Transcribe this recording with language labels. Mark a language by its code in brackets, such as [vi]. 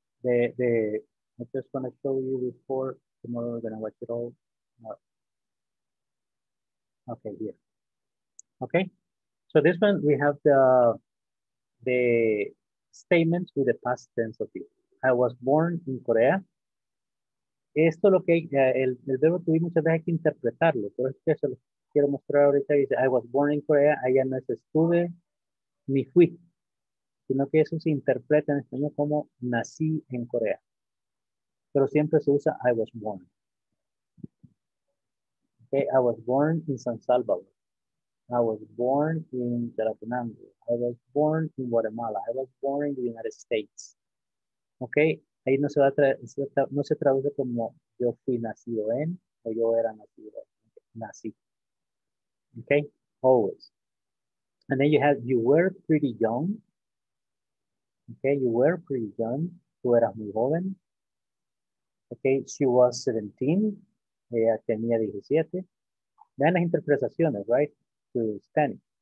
[en] I just want to show you before tomorrow, we're going to watch it all. Okay, here. Okay, so this one, we have the statements with the past tense of it. I was born in Korea. [es] Esto lo que el verbo tuvimos muchas veces que interpretarlo, pero es que se lo quiero mostrar ahorita. Dice, [en] I was born in Korea, [es] allá no estuve ni fui, sino que eso se interpreta en español como nací en Corea. Pero siempre se usa [en] I was born. Okay, I was born in San Salvador. I was born in Tlatelolco. I was born in Guatemala. I was born in the United States. [es] Okay, ahí no se va a no se traduce como yo fui nacido en o yo era nacido en. Nací. [en] Okay, always. And then you have you were pretty young. Okay, you were pretty young. [es] Tú eras muy joven. [en] Okay, she was 17. [es] Ella tenía 17. Vean las interpretaciones, [en] right? To Spanish.